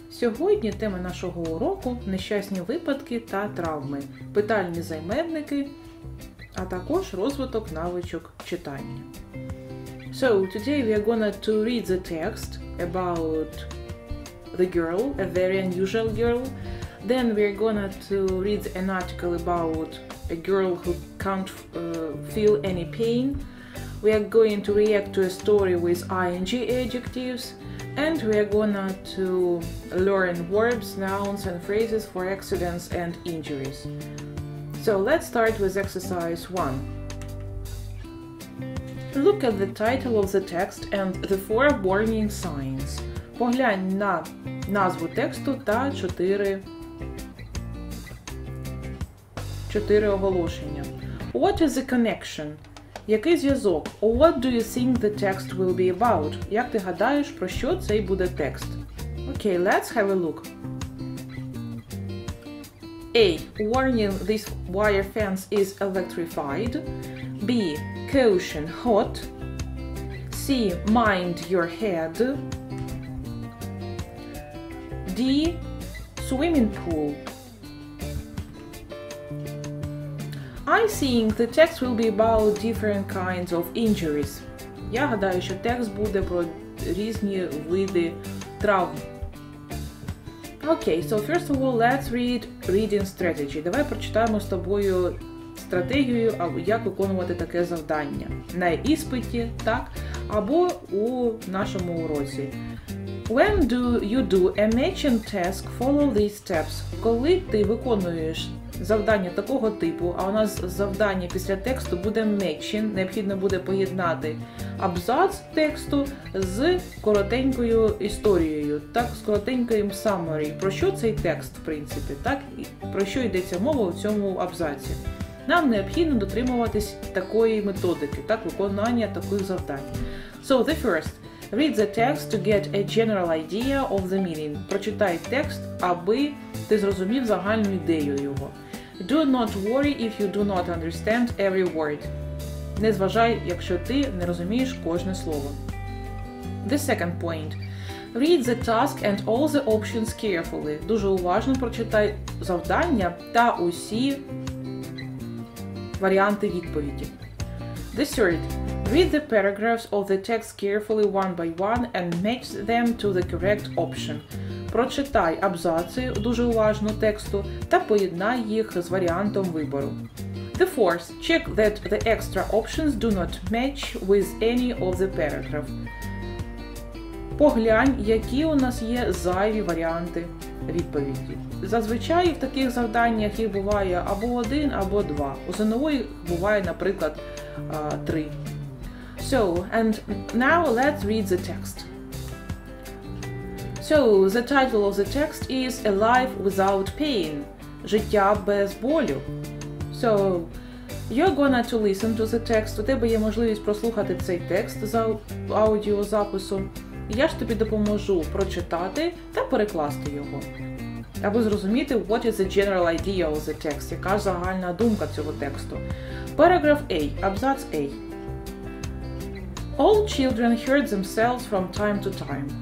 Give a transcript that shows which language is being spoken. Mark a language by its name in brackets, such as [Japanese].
[Ukrainian] Сьогодні тема нашого уроку – нещасні випадки та травми, питальні займенники, а також розвиток навичок читання. [English] So, today we are going to read the text about the girl, a very unusual girl. Then we are going to read an article about a girl who can't feel any pain. We are going to react to a story with ing adjectives, and we are going to learn verbs, nouns, and phrases for accidents and injuries. So let's start with exercise 1. Look at the title of the text and the four warning signs. [Ukrainian] Поглянь на назву тексту та чотири оголошення. [English] What is the connection? [Ukrainian] Який зв'язок? [English] What do you think the text will be about? [Ukrainian] Як ти гадаєш, про що цей буде текст? [English] Okay, let's have a look. A. Warning, this wire fence is electrified. B. Caution, hot. C. Mind your head. D. Swimming pool. I think the text will be about different kinds of injuries. [Ukrainian] Я гадаю, що текст буде про різні види травм. [English] Okay, so first of all, let's read reading strategy. [Ukrainian] Давай прочитаємо з тобою стратегію, як виконувати таке завдання. На іспиті, так? Або у нашому уроці. [English] When do you do a matching task, follow these steps. [Ukrainian] Коли ти виконуєш завдання такого типу, а у нас завдання після тексту буде matching, необхідно буде поєднати абзац тексту з коротенькою історією, так, з коротеньким summary. Про що цей текст, в принципі, так? Про що йдеться мова у цьому абзаці? Нам необхідно дотримуватись такої методики, так, виконання таких завдань. [English] So, the first. Read the text to get a general idea of the meaning. [Ukrainian] Прочитай текст, аби ти зрозумів загальну ідею його. [English] Do not worry if you do not understand every word. [Ukrainian] Не зважай, якщо ти не розумієш кожне слово. [English] The second point. Read the task and all the options carefully. [Ukrainian] Дуже уважно прочитай завдання та усі варіанти відповіді. [English] The third. Read the paragraphs of the text carefully one by one and match them to the correct option. [Ukrainian] Прочитай абзаци дуже уважно тексту та поєднай їх з варіантом вибору. [English] The fourth. Check that the extra options do not match with any of the paragraph. [Ukrainian] Поглянь, які у нас є зайві варіанти відповіді. Зазвичай в таких завданнях їх буває або один, або два. У ЗНО буває, наприклад, три. [English] So, and now let's read the text. So, the title of the text is A Life Without Pain. [Ukrainian] Життя без болю. [English] So, you're gonna to listen to the text. [Ukrainian] У тебе є можливість прослухати цей текст за аудіозаписом. Я ж тобі допоможу прочитати та перекласти його. Аби зрозуміти, [English] what is the general idea of the text? [Ukrainian] Яка ж загальна думка цього тексту? [English] Paragraph A, [Ukrainian] абзац A. [English] All children hurt themselves from time to time.